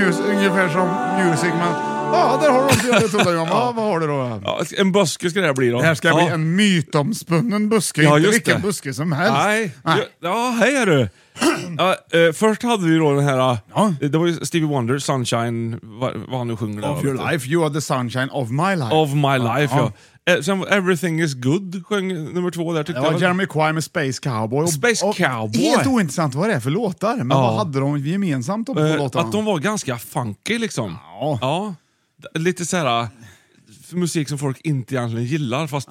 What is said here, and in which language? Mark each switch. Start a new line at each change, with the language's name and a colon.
Swedish: Muse, ungefär som Music, men... Ja, där har du också det, Tullan. Ja, vad har du då? Ja, en buske ska det här bli då. Här ska jag bli en mytomspunnen buske. Ja, inte vilken buske som helst. Nej. Nej. Ja, hej är du. Ja, först hade vi då den här... Ja. Det var ju Stevie Wonder, Sunshine... Vad han nu sjunger.
English: Of your life, you are the sunshine of my life. Of my life, ja.
Swedish: Sen Everything is good sjöng nummer två där, tyckte jag. Det var Jeremy Quire med Space Cowboy. Space Cowboy. Helt ointressant vad det är för låtar. Men vad hade de gemensamt då på låtarna? Att de var ganska funky liksom. Ja. Lite såhär musik som folk inte egentligen gillar, fast